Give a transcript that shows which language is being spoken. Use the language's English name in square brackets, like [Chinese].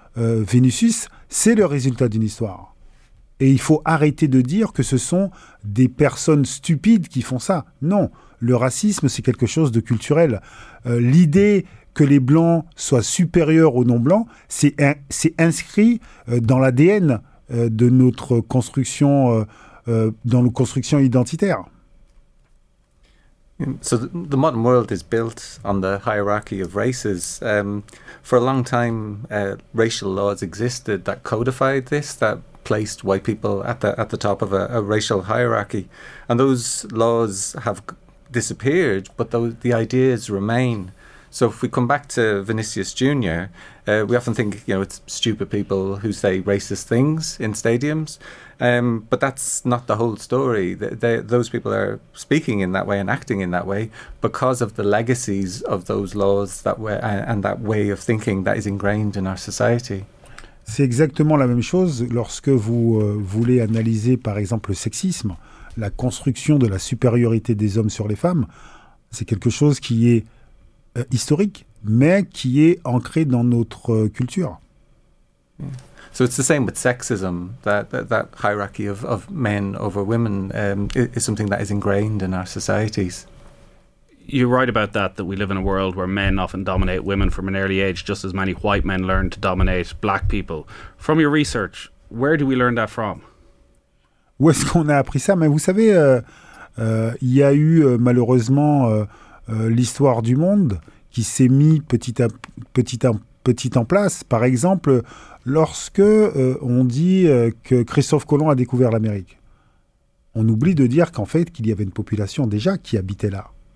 [French] Vinicius, c'est le résultat d'une histoire. Et il faut arrêter de dire que ce sont des personnes stupides qui font ça. Non, le racisme, c'est quelque chose de culturel. L'idée que les blancs soient supérieurs aux non-blancs, c'est inscrit dans l'ADN de notre construction, dans nos constructions identitaires. [English] So the modern world is built on the hierarchy of races. For a long time, racial laws existed that codified this, that placed white people at the top of a racial hierarchy. And those laws have disappeared, but the ideas remain. So if we come back to Vinicius Jr., we often think, you know, it's stupid people who say racist things in stadiums. But that's not the whole story. Those people are speaking in that way and acting in that way because of the legacies of those laws and that way of thinking that is ingrained in our society. [French] C'est exactement la même chose lorsque vous voulez analyser, par exemple, le sexisme, la construction de la supériorité des hommes sur les femmes. C'est quelque chose qui est historique, mais qui est ancré dans notre culture. [English] So it's the same with sexism, that hierarchy of men over women is something that is ingrained in our societies. You're right about that we live in a world where men often dominate women from an early age, just as many white men learn to dominate black people. From your research, where do we learn that from? [French] Où est-ce qu'on a appris ça? Mais vous savez, il y a eu malheureusement l'histoire du monde qui s'est mis petit en place. Par exemple, lorsque on dit que Christophe Colomb a découvert l'Amérique, on oublie de dire qu'en fait, qu'il y avait une population déjà qui habitait là.